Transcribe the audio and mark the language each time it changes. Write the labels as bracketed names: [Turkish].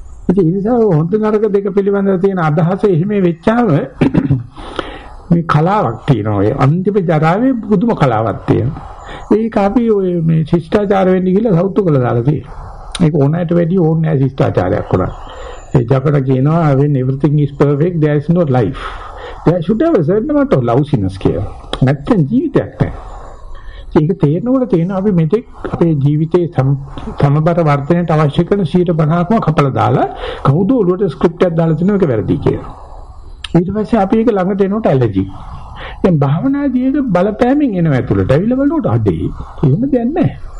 [Sinhala] ඒ නිසා හොඳ නරක දෙක පිළිබඳව තියෙන අදහස එහෙම වෙච්චාම මේ කලාවක් තියෙනවා. ඒ අන්තිම ජරාවේ පුදුම කලාවක් තියෙනවා. ඒක අපි ඔය මේ ශිෂ්ටාචාර වෙන්නේ කියලා සෞතු කළා දාලා තියෙනවා. ඒක ඕනෑට වැඩි ඕනෑ ශිෂ්ටාචාරයක් වුණා. ඒ ජපන කියනවා [English] when everything is perfect there is no life. There should have a certain amount of lousiness [Sinhala] කියලා. නැත්නම් ජීවිතයක් නැහැ. ඒක තේරෙනකොට තේරෙනවා අපි මෙතෙක් අපේ ජීවිතයේ සමබර වර්ධනයට අවශ්‍ය කරන 50%ක්ම කපලා දාලා කවුද ඔළුවට ස්ක්‍රිප්ට් එකක් දාලා තිනු එක වැරදි කියලා. ඊට පස්සේ අපි ඒක ළඟට එනකොට ඇලර්ජි. දැන් භාවනා දිහේක බලපෑමෙන් එනවා ඇතුළට. ඇවිල්ලා බලනකොට අඩේ. එහෙම දෙයක් නැහැ.